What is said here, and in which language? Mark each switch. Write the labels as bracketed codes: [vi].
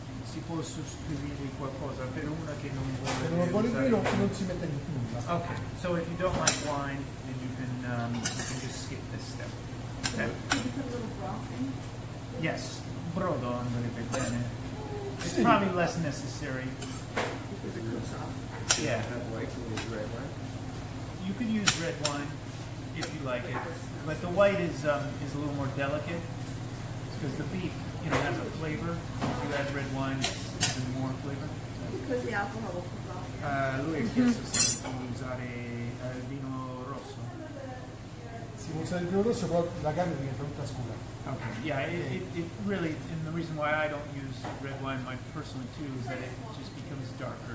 [it] Si può sostituire qualcosa per una che non vuole. Per una buona vino non si mette in nulla. [en] Okay, so if you don't like wine, then you can just skip this step. Okay. Can you put a little broth in? Yes. [it] Brodo andrebbe bene. [en] It's probably less necessary. If it cooks off. Yeah. White, you can use red wine. You could use red wine if you like it. But the white is a little more delicate. Because the beef, you know, has a flavor. If you add red wine, it's even more flavor. Because the alcohol will cook off. [it] Lui chiese se può usare vino rosso. Si può usare il vino rosso, però la carne diventa tutta scura. [en] Okay. Yeah, it really, and the reason why I don't use red wine, my personally too, is that it just becomes darker.